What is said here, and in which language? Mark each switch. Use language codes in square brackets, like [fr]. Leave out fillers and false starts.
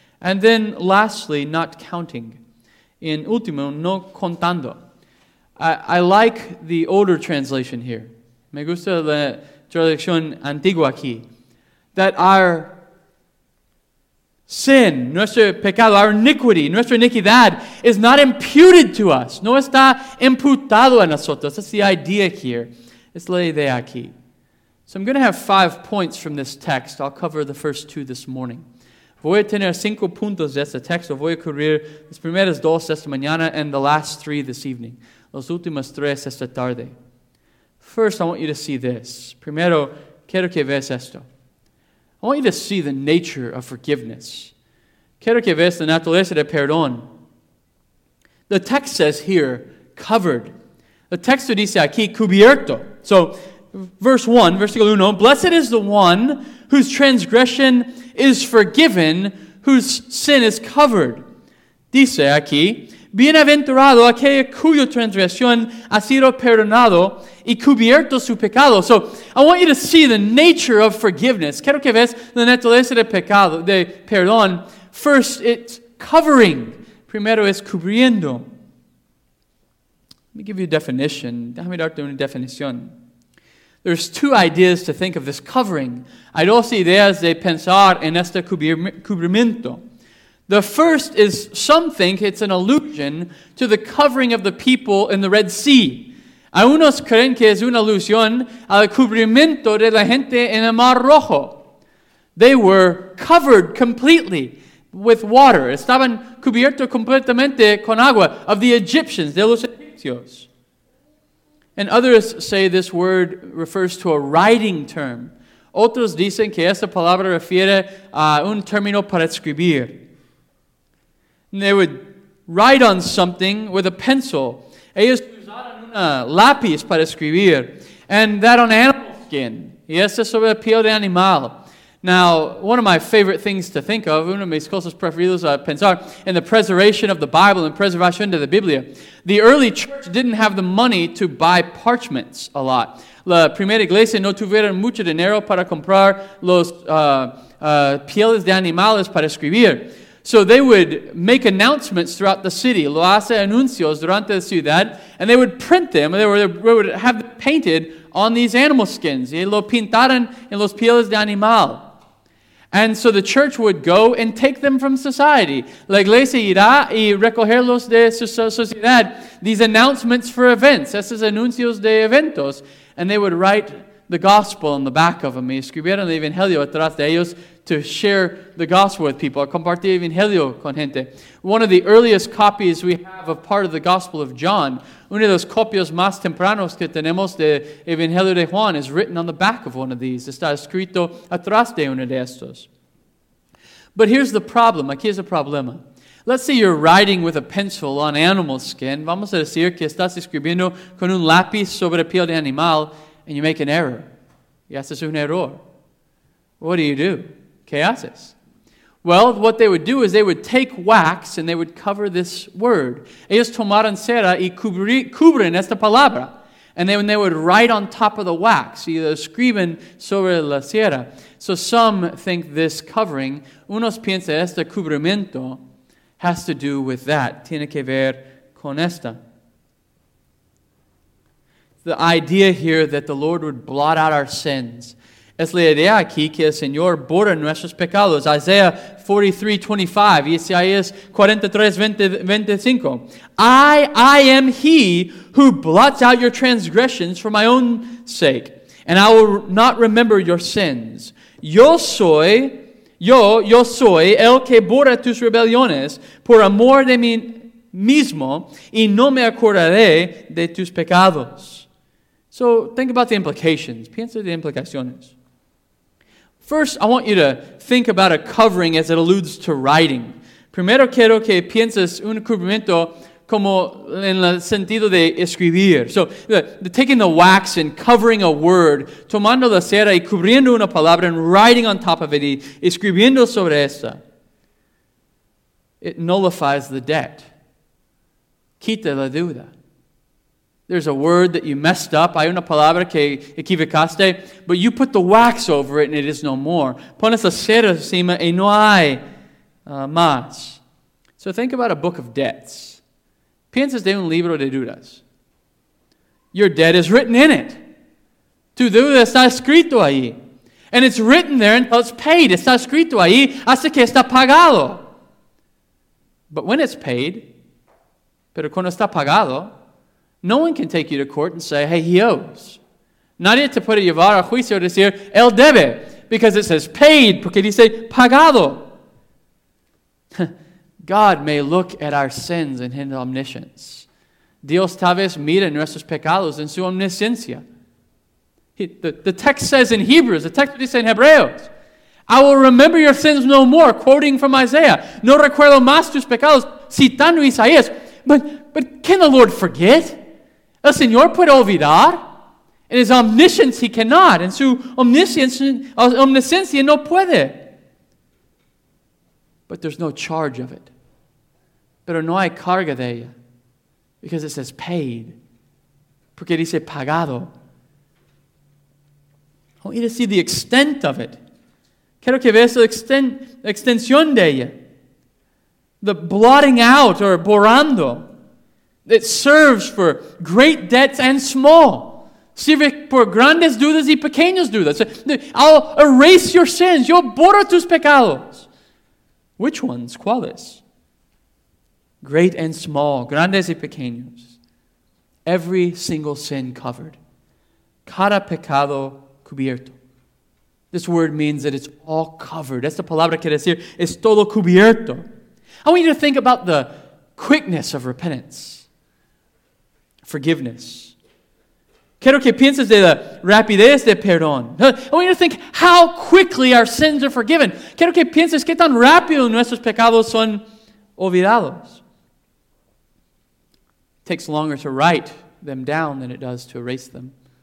[en] And then lastly, not counting. [es] In último, no contando. [en] I like the older translation here. [es] Me gusta la traducción antigua aquí. [en] That our sin, [es] nuestro pecado, [en] our iniquity, [es] nuestra iniquidad, [en] is not imputed to us. [es] No está imputado a nosotros. [en] That's the idea here. It's [es] la idea aquí. [en] So I'm going to have 5 points from this text. I'll cover the first two this morning. [es] Voy a tener 5 puntos de este texto. Voy a cubrir las primeras dos esta mañana [en] and the last three this evening. [es] Los últimos tres esta tarde. [en] First, I want you to see this. [es] Primero, quiero que veas esto. [en] I want you to see the nature of forgiveness. [es] Quiero que veas la naturaleza de perdón. [en] The text says here, covered. [es] The texto dice aquí, cubierto. [en] So, verse 1, [es] versículo 1, [en] blessed is the one whose transgression is forgiven, whose sin is covered. [es] Dice aquí, bienaventurado aquel cuyo transgresión ha sido perdonado y cubierto su pecado. [en] So, I want you to see the nature of forgiveness. [es] Quiero que veas la naturaleza de pecado, de perdón. [en] First, it's covering. [es] Primero es cubriendo. [en] Let me give you a definition. [es] Déjame darte una definición. [en] There's two ideas to think of this covering. [es] Hay dos ideas de pensar en este cubrimiento. [en] The first is some think it's an allusion to the covering of the people in the Red Sea. [es] Algunos creen que es una alusión al cubrimiento de la gente en el Mar Rojo. [en] They were covered completely with water. [es] Estaban cubiertos completamente con agua [en] of the Egyptians, [es] de los egipcios. [en] And others say this word refers to a writing term. [es] Otros dicen que esta palabra refiere a un término para escribir. [en] They would write on something with a pencil. [es] Ellos usaron un lápiz para escribir. [en] And that on animal skin. [es] Y eso sobre piel de animal. [en] Now, one of my favorite things to think of, [es] uno de mis cosas preferidas a pensar, [en] in the preservation of the Bible and [es] preservación de la Biblia, [en] the early church didn't have the money to buy parchments a lot. [es] La primera iglesia no tuvieron mucho dinero para comprar los pieles de animales para escribir. [en] So they would make announcements throughout the city, [es] lo hace anuncios durante la ciudad, [en] and they would print them, and they would have them painted on these animal skins. [es] Y lo pintaron en los pieles de animal. [en] And so the church would go and take them from society. [es] La iglesia irá y recogerlos de su sociedad, [en] these announcements for events, [es] esos anuncios de eventos. [en] And they would write the gospel on the back of them. [es] Y escribieron el evangelio atrás de ellos [en] to share the gospel with people, [es] compartir el evangelio con gente. [en] One of the earliest copies we have of part of the gospel of John, [es] uno de los copios más tempranos que tenemos de evangelio de Juan, [en] is written on the back of one of these. [es] Está escrito atrás de uno de estos. [en] But here's the problem. [es] Aquí es el problema. [en] Let's say you're writing with a pencil on animal skin. [es] Vamos a decir que estás escribiendo con un lápiz sobre piel de animal, [en] and you make an error. [es] Y haces un error. [en] What do? [es] ¿Qué haces? [en] Well, what they would do is they would take wax and they would cover this word. [es] Ellos tomaron cera y cubren esta palabra. [en] And then they would write on top of the wax. [es] Y lo escriben sobre la cera. [en] So some think this covering, [es] unos piensan este cubrimiento, [en] has to do with that. [es] Tiene que ver con esta. [en] The idea here that the Lord would blot out our sins. [es] Es la idea aquí que el Señor borra nuestros pecados. [en] Isaiah [es] 43:25, Isaías 43:25. [en] I am he who blots out your transgressions for my own sake, and I will not remember your sins. [es] Yo soy el que borra tus rebeliones por amor de mí mismo, y no me acordaré de tus pecados. [en] So think about the implications. [es] Piensa de implicaciones. [en] First, I want you to think about a covering as it alludes to writing. [es] Primero quiero que pienses un cubrimiento como en el sentido de escribir. [en] So, taking the wax and covering a word, [es] tomando la cera y cubriendo una palabra [en] and writing on top of it [es] y escribiendo sobre esa. [en] It nullifies the debt. [es] Quita la deuda. [en] There's a word that you messed up. [es] Hay una palabra que equivocaste. [en] But you put the wax over it and it is no more. [es] Pones la cera encima y no hay más. [en] So think about a book of debts. [es] Piensas de un libro de deudas. [en] Your debt is written in it. [es] Tu deuda está escrito ahí. [en] And it's written there until it's paid. [es] Está escrito ahí hasta que está pagado. [en] But when it's paid, [es] pero cuando está pagado, [en] no one can take you to court and say, hey, he owes. [es] Nadie te puede llevar a juicio y decir, él debe, [en] because it says paid, [es] porque dice pagado. [en] God may look at our sins in his omniscience. [es] Dios tal vez mira nuestros pecados en su omnisciencia. [en] The text says in Hebrews, the text [es] dice en Hebreos, [en] I will remember your sins no more, quoting from Isaiah. [es] No recuerdo más tus pecados, citando Isaías. [en] But can the Lord forget? [es] El Señor puede olvidar. [en] In his omniscience, he cannot. [es] En su omnisciencia, no puede. [en] But there's no charge of it. [es] Pero no hay carga de ella. [en] Because it says paid. [es] Porque dice pagado. [en] I want you to see the extent of it. [es] Quiero que veas la extensión de ella. [en] The blotting out or borrando. It serves for great debts and small. [es] Sirve por grandes deudas y pequeñas deudas. [en] I'll erase your sins. [es] Yo borro tus pecados. [en] Which ones? [es] ¿Cuáles? [en] Great and small. [es] Grandes y pequeños. [en] Every single sin covered. [es] Cada pecado cubierto. [en] This word means that it's all covered. [es] Esta palabra quiere decir, es todo cubierto. [en] I want you to think about the quickness of repentance. Forgiveness. [es] Quiero que pienses de la rapidez de perdón. [en] I want you to think how quickly our sins are forgiven. [es] Quiero que pienses qué tan rápido nuestros pecados son olvidados. [en] It takes longer to write them down than it does to erase them.